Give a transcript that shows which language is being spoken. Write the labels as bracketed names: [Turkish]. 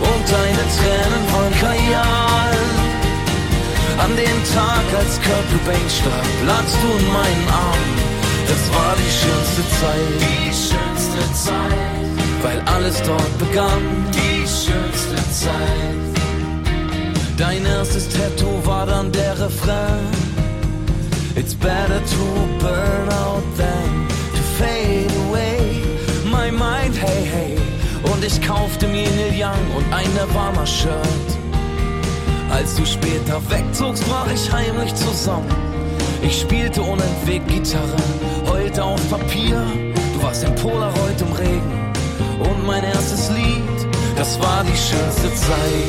[German] Und deine Tränen von Kajal. An dem Tag, als Kurt Cobain starb, lagst du in meinen Armen. Das war die schönste Zeit. Die schönste Zeit, weil alles dort begann. Die schönste Zeit. Dein erstes Tattoo war dann der Refrain. [English] It's better to burn out than to fade away. [German] Hey, hey, und ich kaufte mir Neil Young und ein Nirvana-Shirt. Als du später wegzogst, brach ich heimlich zusammen. Ich spielte unentwegt Gitarre, heulte auf Papier. Du warst im Polaroid im Regen. Und mein erstes Lied, das war die schönste Zeit.